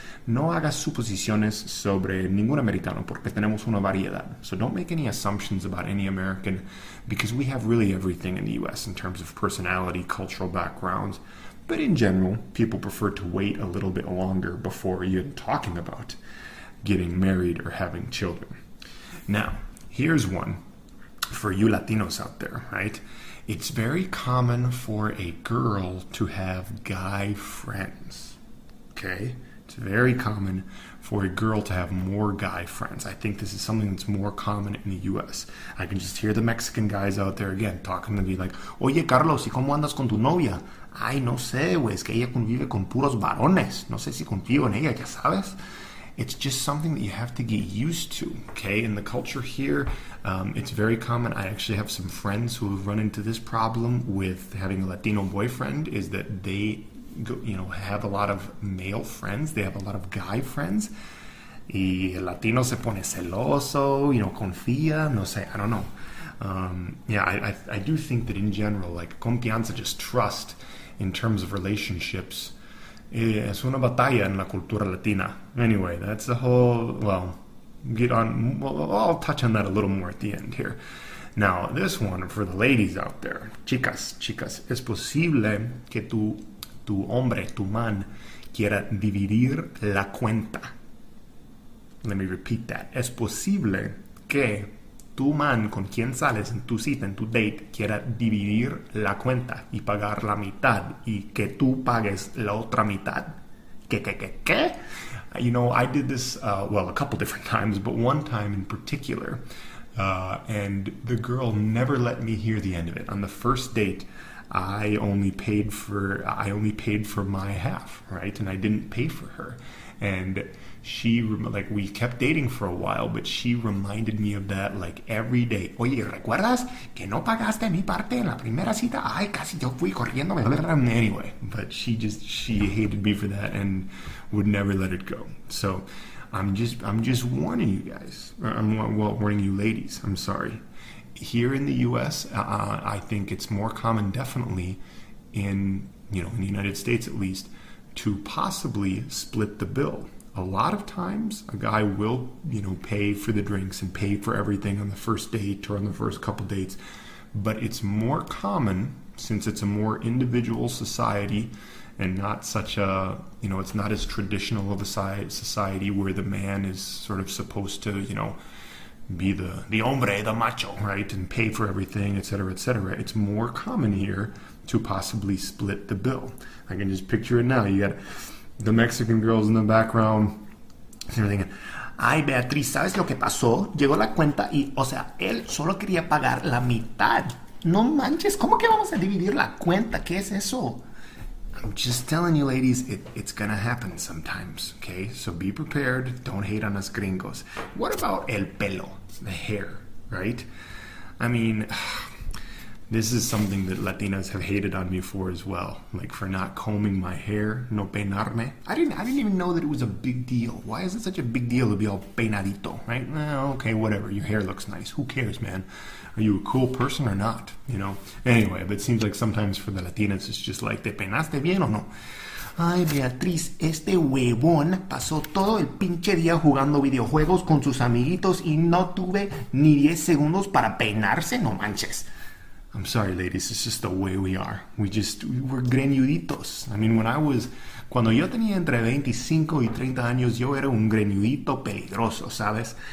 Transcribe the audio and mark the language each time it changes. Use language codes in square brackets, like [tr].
[es] No hagas suposiciones sobre ningún americano porque tenemos una variedad. [en] So don't make any assumptions about any American because we have really everything in the US in terms of personality, cultural backgrounds. But in general, people prefer to wait a little bit longer before even talking about getting married or having children. Now, here's one for you Latinos out there, right? It's very common for a girl to have guy friends, okay? It's very common for a girl to have more guy friends. I think this is something that's more common in the US. I can just hear the Mexican guys out there again talking to me like, [es] Oye, Carlos, ¿y cómo andas con tu novia? Ay, no sé, güey, es que ella convive con puros varones. No sé si confío en ella, ya sabes. [en] It's just something that you have to get used to, okay? In the culture here, it's very common. I actually have some friends who have run into this problem with having a Latino boyfriend, is that they go, have a lot of male friends, they have a lot of guy friends. [es] Y el Latino se pone celoso, confía, no sé, [en] I don't know. I do think that in general, like confianza, just trust in terms of relationships, [es] es una batalla en la cultura latina. [en] Anyway, that's a whole, well, get on, well, I'll touch on that a little more at the end here. Now, this one for the ladies out there, [es] chicas, chicas, es posible que tu hombre, tu man, quiera dividir la cuenta. [en] Let me repeat that. [es] Es posible que tu man con quien sales en tu cita, en tu date, quiera dividir la cuenta y pagar la mitad y que tú pagues la otra mitad. ¿Qué? [en] I did this, well, a couple different times, but one time in particular, and the girl never let me hear the end of it. On the first date, I only paid for my half, right? And I didn't pay for her. And she, like, we kept dating for a while, but she reminded me of that like every day. [es] Oye, ¿recuerdas que no pagaste mi parte en la primera cita? Ay, casi yo fui corriendo. [en] Anyway, but she hated me for that and would never let it go. So I'm just warning you guys. I'm well, warning you ladies. I'm sorry. Here in the US, I think it's more common, definitely in the United States at least, to possibly split the bill. A lot of times, a guy will, pay for the drinks and pay for everything on the first date or on the first couple dates. But it's more common, since it's a more individual society and not such a, it's not as traditional of a society where the man is sort of supposed to, be the hombre, the macho, right? And pay for everything, etc., etc. It's more common here to possibly split the bill. I can just picture it now. You got the Mexican girls in the background. They're thinking, [es] Ay, Beatriz, ¿sabes lo que pasó? Llegó la cuenta y, o sea, él solo quería pagar la mitad. No manches, ¿cómo que vamos a dividir la cuenta? ¿Qué es eso? [en] I'm just telling you, ladies, it's gonna happen sometimes, okay? So be prepared. Don't hate on us gringos. What about [es] el pelo, [en] the hair, right? I mean, This is something that Latinas have hated on me for as well, like for not combing my hair, [es] no peinarme. [en] I didn't even know that it was a big deal. Why is it such a big deal to be all peinadito, right? Well, okay, whatever. Your hair looks nice. Who cares, man? Are you a cool person or not? You know. Anyway, but it seems like sometimes for the Latinas, it's just like, [es] ¿te peinaste bien o no? Ay, Beatriz, este huevón pasó todo el pinche día jugando videojuegos con sus amiguitos y no tuve ni 10 segundos para peinarse, no manches. [en] I'm sorry, ladies, it's just the way we are. We're greñuditos. [es] I mean, cuando yo tenía entre 25 y 30 años, yo era un greñudito peligroso, ¿sabes?